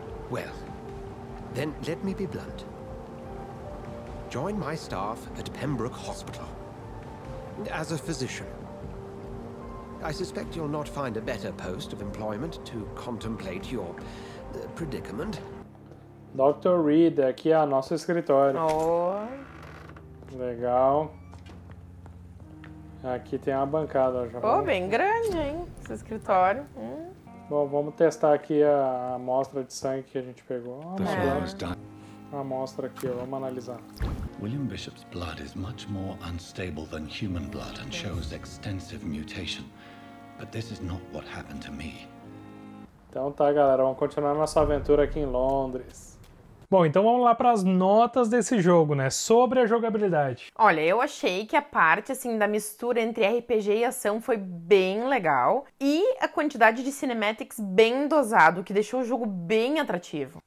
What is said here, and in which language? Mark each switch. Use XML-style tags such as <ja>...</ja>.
<en>Well, then let me be blunt. Join my staff at Pembroke Hospital as a physician. I suspect you'll not find a better post of employment to contemplate your predicament. Dr.</en> <pt>Reed, aqui é a nossa escritório. Oi. Legal. Aqui tem uma bancada. Já. Oh, vamos... bem grande, hein? Esse escritório. Bom, vamos testar aqui a amostra de sangue que a gente pegou. Amostra aqui, vamos analisar.</pt> <en>William Bishop's blood is much more unstable than human blood and shows extensive mutation. But this is not what happened to me.</en> <pt>Então tá, galera, vamos continuar nossa aventura aqui em Londres. Bom, então vamos lá para as notas desse jogo, né? Sobre a jogabilidade. Olha, eu achei que a parte, assim, da mistura entre RPG e ação foi bem legal. E a quantidade de cinematics bem dosado, que deixou o jogo bem atrativo.</pt>